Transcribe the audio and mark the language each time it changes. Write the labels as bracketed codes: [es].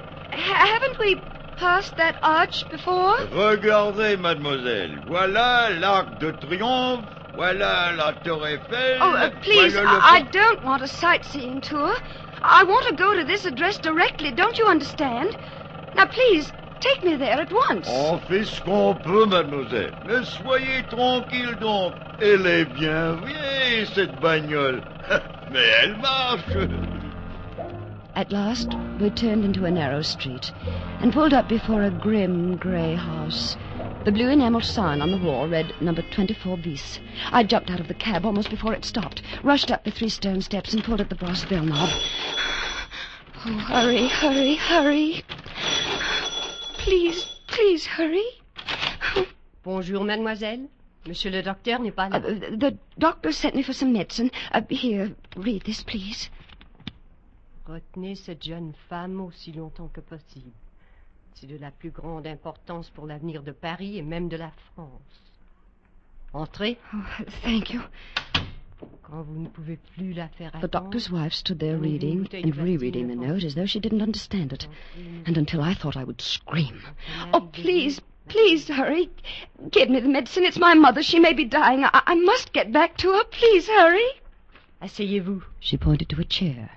[en] Haven't we passed that arch before? [fr] Regardez, mademoiselle. Voilà l'Arc de Triomphe. Voilà la Tour Eiffel. [en] Please, I don't want a sightseeing tour. I want to go to this address directly, don't you understand? Now, please, take me there at once. [fr] On fait ce qu'on peut, mademoiselle. Mais soyez tranquille donc. Elle est bien vieille, cette bagnole. Mais elle marche. [en] At last, we turned into a narrow street and pulled up before a grim, grey house. The blue enamel sign on the wall read number 24 bis. I jumped out of the cab almost before it stopped, rushed up the 3 stone steps and pulled at the brass bell knob. Oh, hurry, hurry, hurry. Please, please hurry. [fr] Bonjour, mademoiselle. Monsieur le docteur n'est pas là. [en] The doctor sent me for some medicine. Here, read this, please. [fr] Retenez cette jeune femme aussi longtemps que possible. C'est de la plus grande importance pour l'avenir de Paris et même de la France. Entrez. [en] Oh, thank you. [fr] Quand vous ne pouvez plus la faire attendre... [en] The doctor's wife stood there reading and rereading the note as though she didn't understand it. And until I thought I would scream. Oh, please, please hurry. Give me the medicine. It's my mother. She may be dying. I must get back to her. Please hurry. [fr] Asseyez-vous. [en] She pointed to a chair.